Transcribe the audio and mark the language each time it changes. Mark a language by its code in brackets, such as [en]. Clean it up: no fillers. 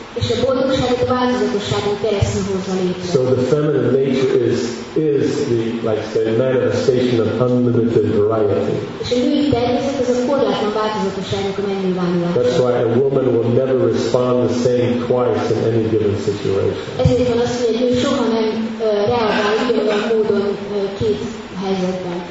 [hu] És a boldogságot változatosságon keresztül hozza létre. [en] So the feminine nature is the, like say, manifestation of unlimited variety. [hu] És a női természet az a korlátlan változatosságnak a megnyilvánulása. [en] That's why a woman will never respond the same twice in any given situation. [hu] Ezért van az, hogy egy nő soha nem reagál ugyanolyan módon két helyzetben.